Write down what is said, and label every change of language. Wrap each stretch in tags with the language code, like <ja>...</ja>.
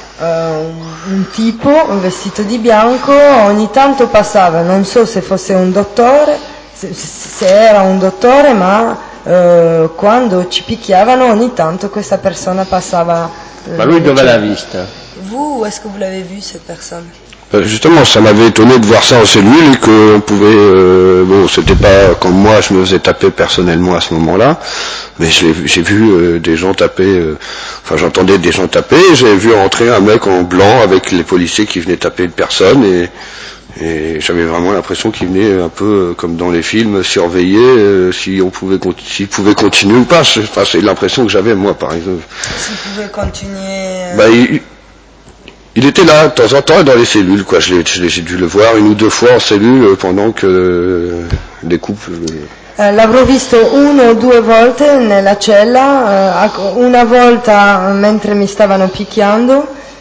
<it>Un tipo, un vestito di bianco, ogni tanto passava. Non so se fosse un dottore, se era un dottore, ma... quando ci picchiavano ogni tanto questa persona passava. Ma lui dove l'ha vista?</it> <fr>Vous, où est-ce que vous l'avez vu cette personne? Justement, ça m'avait étonné de voir ça en cellule et que on pouvait bon, c'était pas comme moi, je me faisais taper personnellement à ce moment-là, mais j'ai vu des gens taper enfin j'entendais des gens taper, j'ai vu rentrer un mec en blanc avec les policiers qui venaient taper une personne et j'avais vraiment l'impression qu'il venait un peu comme dans les films surveiller s'il pouvait continuer ou pas, enfin c'est l'impression que j'avais moi par exemple. S'il pouvait continuer Il était là, de temps en temps, dans les cellules, quoi. J'ai dû le voir une ou deux fois en cellule pendant que les couples...</fr> <it>L'avrò visto una o due volte nella cella, una volta mentre mi stavano picchiando.</it>